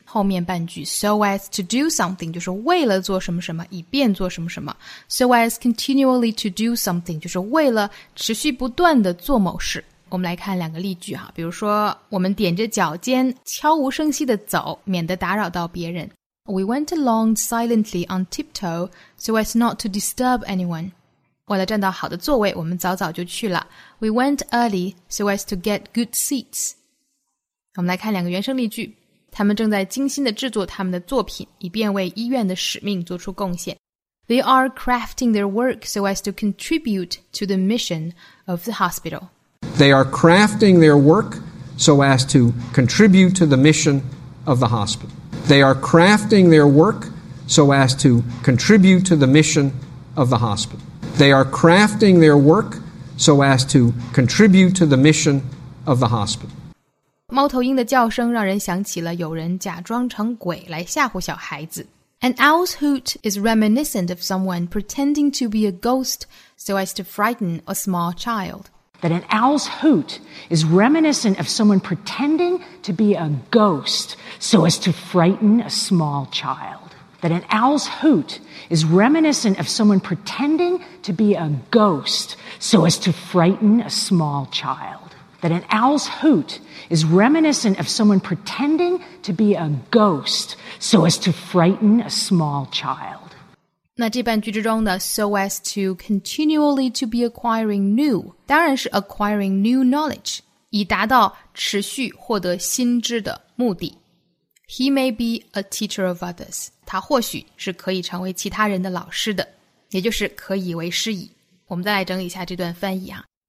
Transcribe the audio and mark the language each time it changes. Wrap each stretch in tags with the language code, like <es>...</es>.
<zh>后面半句</zh> <en>so as to do something</en> <zh>就是为了做什么什么以便做什么什么</zh> <en>so as continually to do something</en> <zh>就是为了持续不断的做某事我们来看两个例句哈，比如说我们踮着脚尖悄无声息地走免得打扰到别人</zh> <en>We went along silently on tiptoe so as not to disturb anyone</en> <zh>为了占到好的座位我们早早就去了</zh> <en>We went early so as to get good seats</en> <zh>我们来看两个原声例句他们正在精心地制作他们的作品以便为医院的使命做出贡献</zh> <en>They are crafting their work so as to contribute to the mission of the hospital They are crafting their work so as to contribute to the mission of the hospital. They are crafting their work so as to contribute to the mission of the hospital. They are crafting their work so as to contribute to the mission of the hospital.</en> <zh>猫头鹰的叫声让人想起了有人假装成鬼来吓唬小孩子。</zh> <en>An owl's hoot is reminiscent of someone pretending to be a ghost so as to frighten a small child. That an owl's hoot is reminiscent of someone pretending to be a ghost so as to frighten a small child. That an owl's hoot is reminiscent of someone pretending to be a ghost so as to frighten a small child. That an owl's hoot is reminiscent of someone pretending to be a ghost so as to frighten a small child.</en> <zh>那这半句之中的</zh> <en>so as to continually to be acquiring new</en> <zh>当然是</zh> <en>acquiring new knowledge</en> <zh>以达到持续获得新知的目的</zh> <en>He may be a teacher of others</en> <zh>他或许是可以成为其他人的老师的也就是可以为师矣我们再来整理一下这段翻译啊</zh>